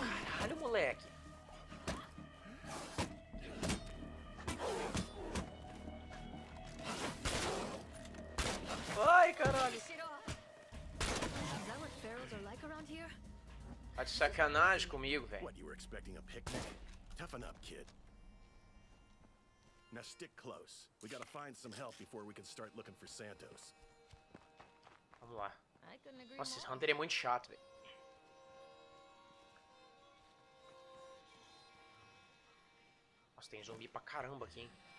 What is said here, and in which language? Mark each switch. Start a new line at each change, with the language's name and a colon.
Portuguese: Caralho, moleque. Ai, caralho. Tá de sacanagem comigo, velho.
English: What you were expecting, a picnic? Toughen up, kid. Now stick close. We gotta find some help before we can start looking for Santos.
Portuguese: Vamos lá. Nossa, esse Hunter é muito chato, velho. Nossa, tem zumbi pra caramba aqui, hein?